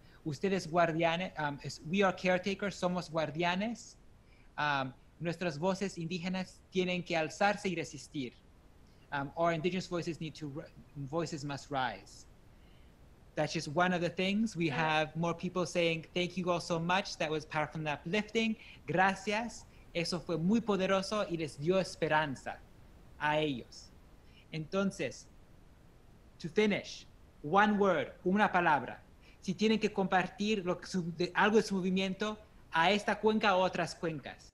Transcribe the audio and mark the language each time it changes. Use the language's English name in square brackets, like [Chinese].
[Spanish] Ustedes guardianes, [English] we are caretakers, [Spanish] somos guardianes. nuestras voces indígenas tienen que alzarse y resistir. [English] Our indigenous voices need to, voices must rise. That's just one of the things. We have more people saying, thank you all so much. That was powerful and uplifting. Gracias. [Spanish] Eso fue muy poderoso y les dio esperanza a ellos. [English] Entonces, to finish, one word, [Spanish] una palabra. Si tienen que compartir lo que, algo de su movimiento a esta cuenca o otras cuencas.